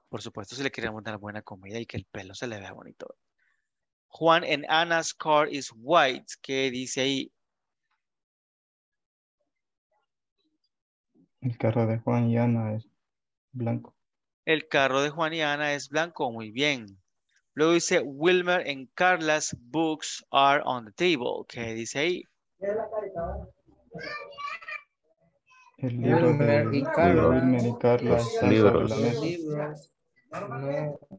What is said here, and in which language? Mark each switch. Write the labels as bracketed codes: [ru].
[es] Por supuesto, si le queremos dar buena comida y que el pelo se le vea bonito. [en] Juan and Anna's car is white. [es] ¿Qué dice ahí? El carro de Juan y Ana es blanco. El carro de Juan y Ana es blanco. Muy bien. Luego dice, [en] Wilmer and Carla's books are on the table. [es] ¿Qué dice ahí? El libro Wilmer y Carla están sobre la mesa.